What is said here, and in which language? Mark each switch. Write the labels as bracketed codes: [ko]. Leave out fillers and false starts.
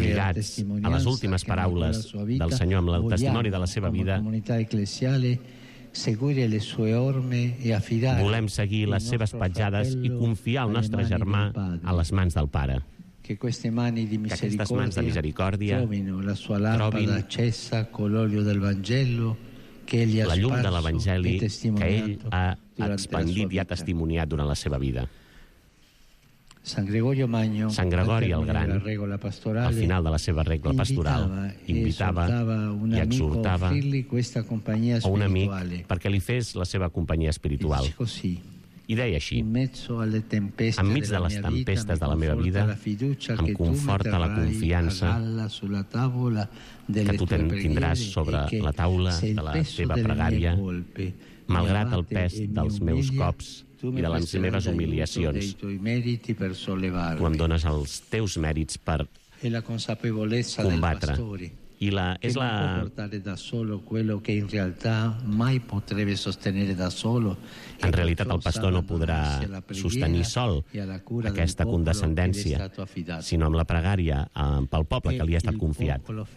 [ca] lligats a les últimes paraules del Senyor amb el testimoni de la seva vida, volem seguir les seves petjades i confiar el nostre germà a les mans del Pare. [it] Che queste mani di misericordia, che mani di misericordia trovino la sua lampada trovin... accesa con l'olio del Vangelo che egli ha sparso, la [ca] llum de [it] che [ca] ell ha expandit i ha testimoniat durant la seva vida. [it] San Gregorio Magno, [ca] San Gregori el Gran, al final de la seva regla pastoral, invitava i exhortava a un amic perquè li fes la seva companyia espiritual. I deia així: enmig de les tempestes de la meva vida, em conforta la confiança que tu tindràs sobre la taula de la teva pregària, malgrat el pes dels meus cops i de les meves humiliacions. Tu em dones els teus mèrits per combatre. I la, és la... no puc portar [it] da solo quello che in realtà mai potrebbe sostenere da solo. [ca] En realitat el pastor no podrà sostenir sol aquesta condescendència, sinó amb la pregària pel poble que li ha estat confiat.